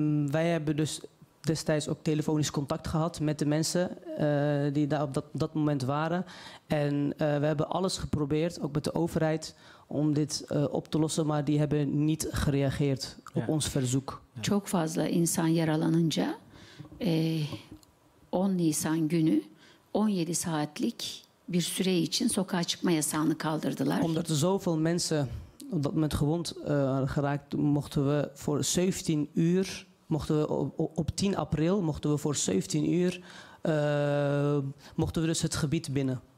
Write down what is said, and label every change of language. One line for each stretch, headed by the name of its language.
Dutch: Wij hebben dus destijds ook telefonisch contact gehad met de mensen die daar op dat moment waren. En we hebben alles geprobeerd, ook met de overheid, om dit op te lossen, maar die hebben niet gereageerd op ons verzoek.
Turkish: Çok fazla insan yaralanınca 10 Nisan günü 17 saatlik bir süre için sokağa çıkma yasağını kaldırdılar.
Dutch: Omdat er zoveel mensen op dat moment gewond geraakt, mochten we voor 17 uur, mochten we op 10 april, mochten we voor 17 uur, mochten we dus het gebied binnen.